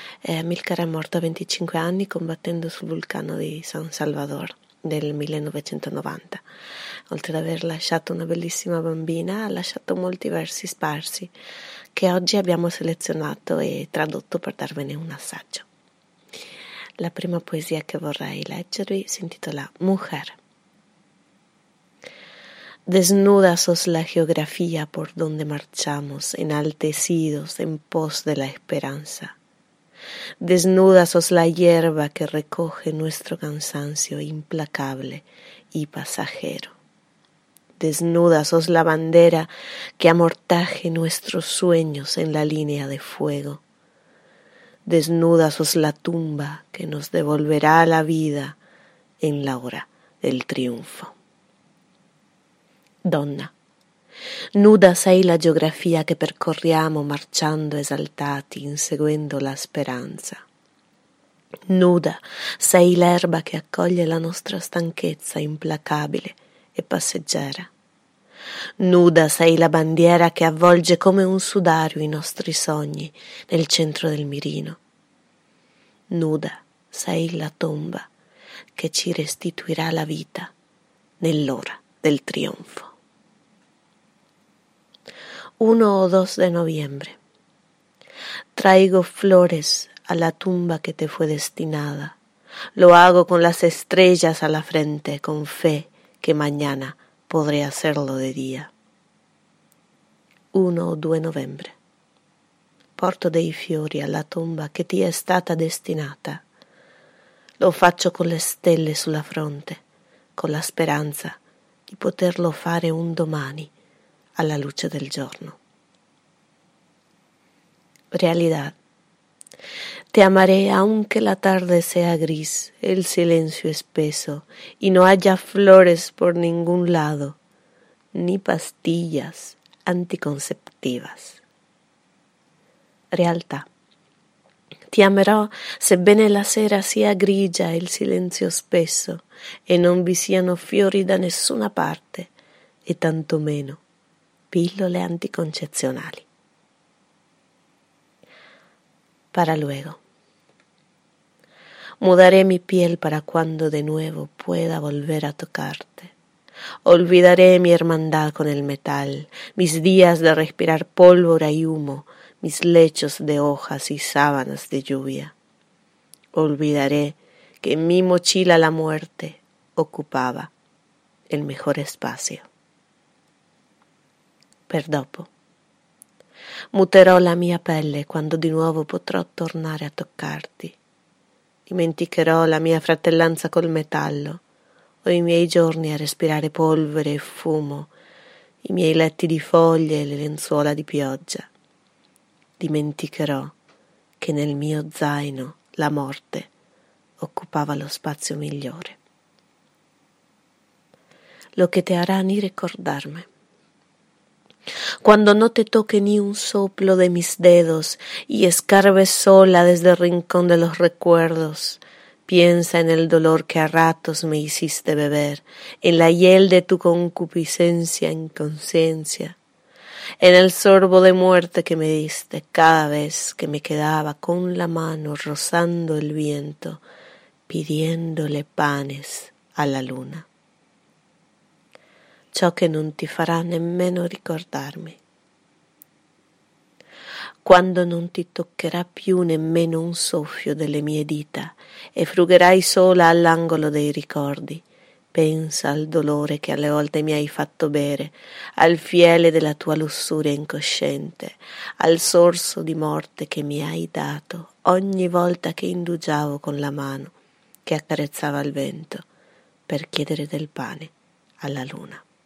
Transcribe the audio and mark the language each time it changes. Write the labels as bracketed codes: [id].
[it] Amilcar è morto a 25 anni combattendo sul vulcano di San Salvador nel 1990. Oltre ad aver lasciato una bellissima bambina, ha lasciato molti versi sparsi che oggi abbiamo selezionato e tradotto per darvene un assaggio. La prima poesia che vorrei leggervi si intitola Mujer. [es] Desnuda sos la geografía por donde marchamos, enaltecidos en pos de la esperanza. Desnuda sos la hierba que recoge nuestro cansancio implacable y pasajero. Desnuda sos la bandera que amortaje nuestros sueños en la línea de fuego. Desnuda sos la tumba que nos devolverá la vida en la hora del triunfo. [it] Donna, nuda sei la geografia che percorriamo marciando esaltati, inseguendo la speranza. Nuda sei l'erba che accoglie la nostra stanchezza implacabile e passeggera. Nuda sei la bandiera che avvolge come un sudario i nostri sogni nel centro del mirino. Nuda sei la tomba che ci restituirà la vita nell'ora del trionfo. [es] 1 o 2 de noviembre. Traigo flores a la tumba que te fue destinada. Lo hago con las estrellas a la frente, con fe que mañana podré hacerlo de día. [it] 1 o 2 novembre. Porto dei fiori alla tomba che ti è stata destinata. Lo faccio con le stelle sulla fronte, con la speranza di poterlo fare un domani. Alla luce del giorno. [es] Realidad. Te amaré aunque la tarde sea gris, el silencio espeso, y no haya flores por ningún lado, ni pastillas anticonceptivas. [it] Realtà. Ti amerò sebbene la sera sia grigia e il silenzio spesso, e non vi siano fiori da nessuna parte, e tantomeno pillole anticoncezionali. [es] Para luego. Mudaré mi piel para cuando de nuevo pueda volver a tocarte. Olvidaré mi hermandad con el metal, mis días de respirar pólvora y humo, mis lechos de hojas y sábanas de lluvia. Olvidaré que en mi mochila la muerte ocupaba el mejor espacio. [it] Per dopo. Muterò la mia pelle quando di nuovo potrò tornare a toccarti. Dimenticherò la mia fratellanza col metallo, o i miei giorni a respirare polvere e fumo, i miei letti di foglie e le lenzuola di pioggia. Dimenticherò che nel mio zaino la morte occupava lo spazio migliore. [es] Lo che te harà ni ricordarmi. Cuando no te toque ni un soplo de mis dedos y escarbes sola desde el rincón de los recuerdos, piensa en el dolor que a ratos me hiciste beber, en la hiel de tu concupiscencia e inconsciencia, en el sorbo de muerte que me diste cada vez que me quedaba con la mano rozando el viento, pidiéndole panes a la luna. [it] Ciò che non ti farà nemmeno ricordarmi. Quando non ti toccherà più nemmeno un soffio delle mie dita e frugherai sola all'angolo dei ricordi, pensa al dolore che alle volte mi hai fatto bere, al fiele della tua lussuria incosciente, al sorso di morte che mi hai dato ogni volta che indugiavo con la mano che accarezzava il vento per chiedere del pane alla luna.